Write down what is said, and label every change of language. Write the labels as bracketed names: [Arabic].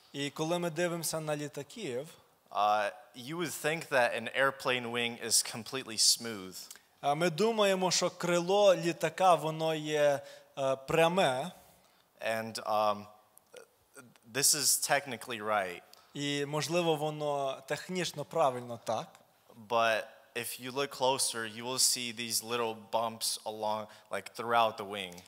[Ukrainian] І коли ми дивимося на літаків, [English] You would think that an airplane wing is completely smooth. [Ukrainian] Ми думаємо, що крило літака воно є пряме. [English] And this is technically right. [Ukrainian] І можливо, воно технічно правильно так. [English] But if you look closer, you will see these little bumps along like throughout the wing.